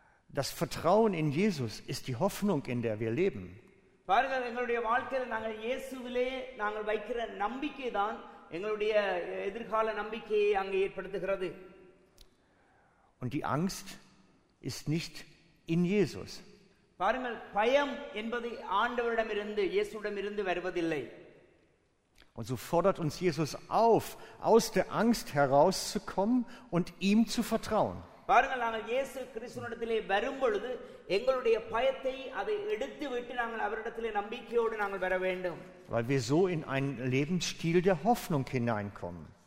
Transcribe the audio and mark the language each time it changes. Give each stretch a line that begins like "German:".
German: Das Vertrauen in Jesus ist die Hoffnung, in der wir leben. Und die Angst ist nicht in Jesus.
Tamil: பாருங்கள் பயம் என்பது ஆண்டவரிடமிருந்து இயேசுவிடமிருந்து வருவதில்லை.
German: Und so fordert uns Jesus auf, aus der Angst herauszukommen und ihm zu vertrauen.
Tamil: பாருங்கள் நாங்கள் இயேசு கிறிஸ்துவினிடத்திலே வரும்பொழுது எங்களுடைய பயத்தை அதை எடுத்துவிட்டு நாங்கள் அவரிடத்திலே நம்பிக்கையோடு நாங்கள் வர வேண்டும்.
German: Weil wir so in einen Lebensstil der Hoffnung hineinkommen.